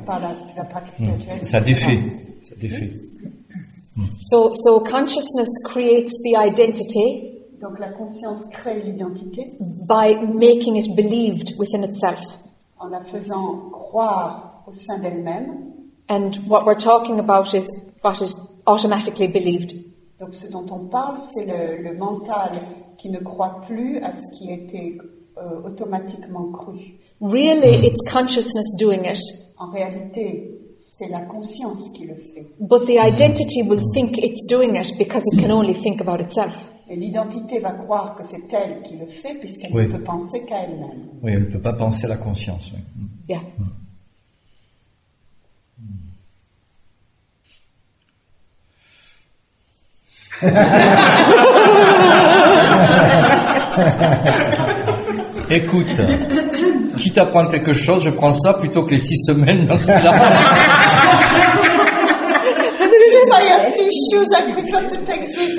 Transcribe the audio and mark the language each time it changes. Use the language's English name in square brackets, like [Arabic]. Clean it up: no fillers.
[French] Par la pratique. Ça défait. Ça défait. [English] So consciousness creates the identity. [French] Donc la conscience crée l'identité. [English] By making it believed within itself. [French] En la faisant croire au sein d'elle-même. [English] And what we're talking about is what is automatically believed. [French] Donc ce dont on parle, c'est le mental qui ne croit plus à ce qui était automatiquement cru. [English] Really, it's consciousness doing it. [French] En réalité. C'est la conscience qui le fait. [English] But the identity will think it's doing it because it can only think about itself. [French] Et l'identité va croire que c'est elle qui le fait puisqu'elle ne peut penser qu'à elle-même. Oui, elle ne peut pas penser à la conscience. Oui. [English] Yeah. [French] Écoute, quitte à prendre quelque chose, je prends ça plutôt que les 6 semaines dans ce silence. [English] I have 2 shoes, I prefer to take this